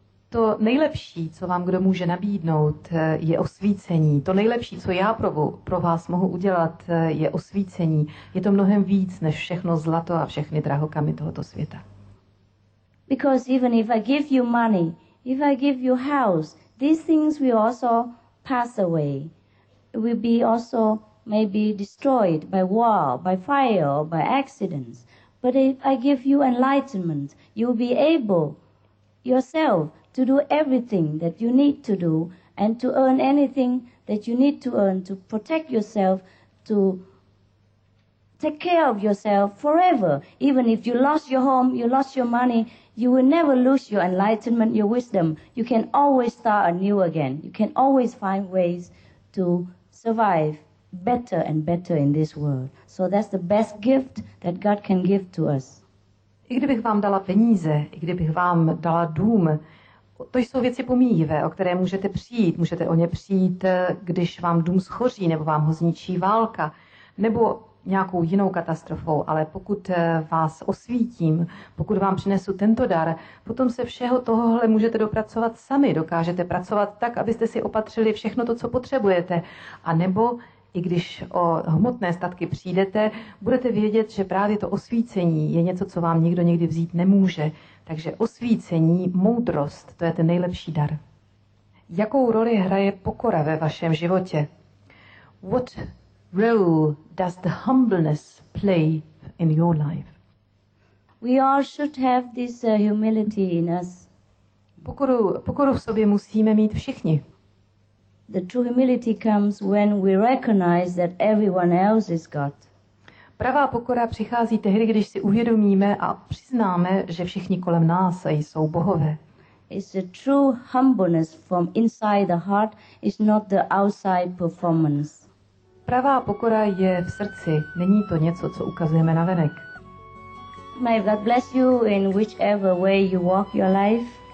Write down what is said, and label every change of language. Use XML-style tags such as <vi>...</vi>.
<cs>To nejlepší, co vám kdo může nabídnout, je osvícení. To nejlepší, co já pro vás mohu udělat, je osvícení. Je to mnohem víc než všechno zlato a všechny drahokamy tohoto světa.</cs> <en>Because even if I give you money, if I give you house, these things will also pass away. It will be also maybe destroyed by war, by fire, or by accidents. But if I give you enlightenment, you'll be able yourself to do everything that you need to do and to earn anything that you need to earn to protect yourself, to take care of yourself forever. Even if you lost your home, you lost your money, you will never lose your enlightenment, your wisdom. You can always start anew again. You can always find ways to survive better and better in this world. So that's the best gift that God can give to us.</en> <cs>I kdybych vám dala peníze, i kdybych vám dala dům, to jsou věci pomíjivé, o které můžete přijít. Můžete o ně přijít, když vám dům schoří, nebo vám ho zničí válka, nebo nějakou jinou katastrofou, ale pokud vás osvítím, pokud vám přinesu tento dar, potom se všeho tohohle můžete dopracovat sami. Dokážete pracovat tak, abyste si opatřili všechno to, co potřebujete. A nebo i když o hmotné statky přijdete, budete vědět, že právě to osvícení je něco, co vám nikdo nikdy vzít nemůže. Takže osvícení, moudrost, to je ten nejlepší dar. Jakou roli hraje pokora ve vašem životě?</cs> <en>What role does the humbleness play in your life? We all should have this humility in us.</en> <cs>Pokoru v sobě musíme mít všichni.</cs> <en>The true humility comes when we recognize that everyone else is God.</en> <cs>Pravá pokora přichází tehdy, když si uvědomíme a přiznáme, že všichni kolem nás jsou bohové.</cs> <en>It's a true humbleness from inside the heart, it's not the outside performance.</en> <cs>Pravá pokora je v srdci, není to něco, co ukazujeme na venek.</cs> <en>May God bless you in whichever way you walk your life.</en>